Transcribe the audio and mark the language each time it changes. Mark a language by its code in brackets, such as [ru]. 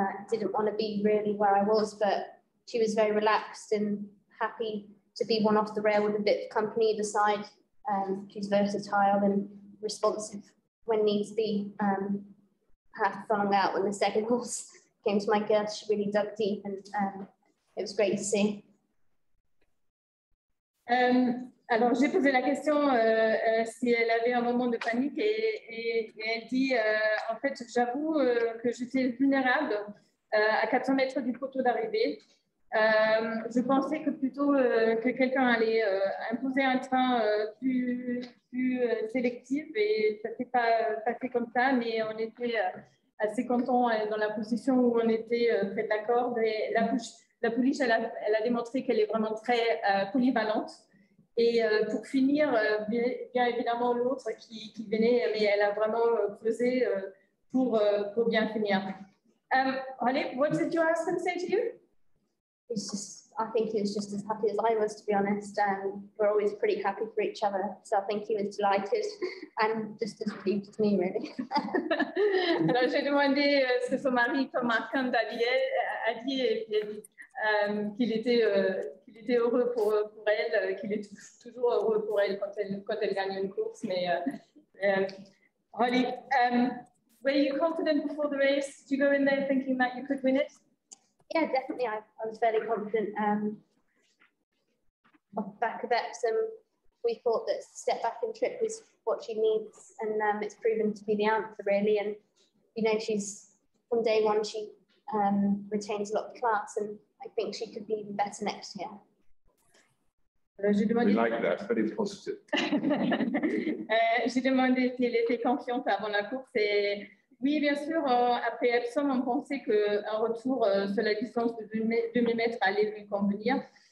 [en] Didn't want to be really where I was, but she was very relaxed and happy to be one off the rail with a bit of company either side. She's versatile and responsive when needs be. Half flung out when the second horse came to my girth, she really dug deep, and it was great to see. [fr] Alors j'ai posé la question si elle avait un moment de panique et elle dit en fait j'avoue que j'étais vulnérable à 400 mètres du poteau d'arrivée. Je pensais que plutôt que quelqu'un allait imposer un train plus sélectif, et ça s'est pas passé comme ça, mais on était assez contents dans la position où on était près de la corde, et la pouliche elle a démontré qu'elle est vraiment très polyvalente. Et pour finir, bien évidemment l'autre qui venait, mais elle a vraiment creusé pour bien finir. [en] Holly, what did your husband say to you? I think he was just as happy as I was, to be honest. We're always pretty happy for each other, so I think he was delighted and just as relieved as me, really. [fr] Alors j'ai demandé ce que son mari Thomas Candavier a dit, qu'il était heureux pour elle, qu'il est toujours heureux pour elle quand elle gagne une course. [en] Mais Holly, were you confident before the race? Did you go in there thinking that you could win it? Yeah, definitely. I was fairly confident. Off the back of Epsom, we thought that step back and trip was what she needs, and it's proven to be the answer, really. And you know, she's from day one, she retains a lot of class, and I think she could be even better next year. We like that, very positive. [fr] J'ai demandé si elle était confiante avant la course. Oui, bien sûr, après Epsom, on pensait qu'un retour sur la distance de 2000 mètres allait lui convenir.